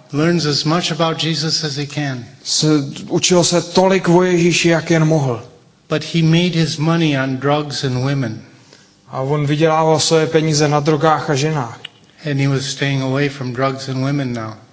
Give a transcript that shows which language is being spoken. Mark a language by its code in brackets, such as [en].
[en] Learns as much about Jesus as he can. [cs] Učil se tolik o Ježíši, jak jen mohl. [en] But he made his money on drugs and women. [cs] A on vydělával své peníze na drogách a ženách. [en] And he was staying away from drugs and women now.